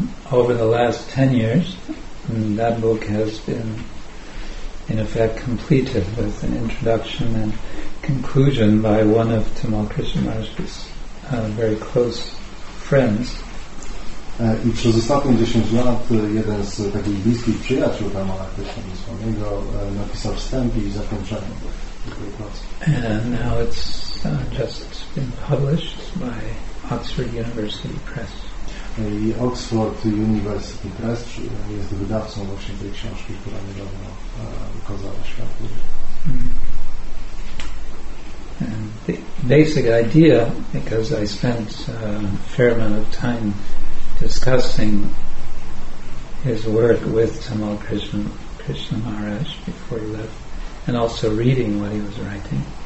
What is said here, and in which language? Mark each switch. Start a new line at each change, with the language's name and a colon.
English: Over the last 10 years, that book has been, in effect, completed with an introduction and conclusion by one of Tamal Krishna Maharaj's very close friends.
Polish: I przez ostatnie 10 lat jeden z takich bliskich przyjaciół Ramana Krishnamurtiego napisał wstęp i zakończenie tej pracy.
English: And now it's just been published by Oxford University Press.
Polish: I Oxford University Press jest wydawcą właśnie tej książki, która niedawno ukazała światu.
English: And the basic idea, because I spent a fair amount of time discussing his work with Tamal Krishna Maharaj before he left, and also reading what he was writing.